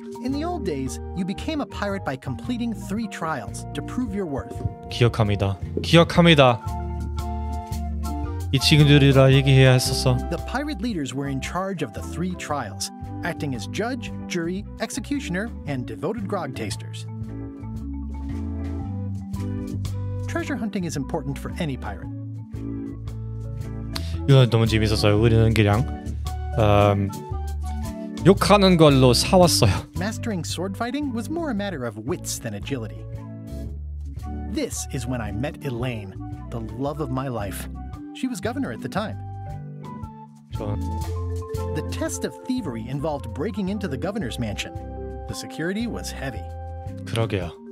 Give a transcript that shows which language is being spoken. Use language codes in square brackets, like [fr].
[en] In the old days, you became a pirate by completing three trials to prove your worth. [ko] 기억합니다. 기억합니다. 이 친구들이라 얘기해야 했었어. [en] The pirate leaders were in charge of the three trials, acting as judge, jury, executioner, and devoted grog tasters. Treasure hunting is important for any pirate. [ko] 이거 너무 재밌었어요. 우리는 그냥 욕하는 걸로 사왔어요. [en] Mastering sword fighting was more a matter of wits than agility. This is when I met Elaine, the love of my life. She was governor at the time. The test of thievery involved breaking into the governor's mansion. The security was heavy. [ko] 그러게요.